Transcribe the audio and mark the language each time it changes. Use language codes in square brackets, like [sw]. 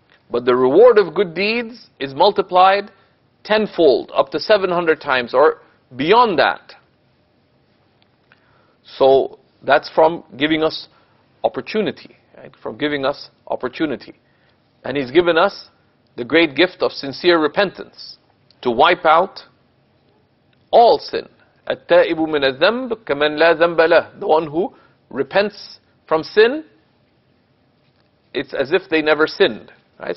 [en] But the reward of good deeds is multiplied tenfold, up to 700 times or beyond that. So that's from giving us opportunity, right? From giving us opportunity. And He's given us the great gift of sincere repentance to wipe out all sin. [ar] التائب من الذنب كمن لا ذنب له. [en] The one who repents from sin, it's as if they never sinned. Right?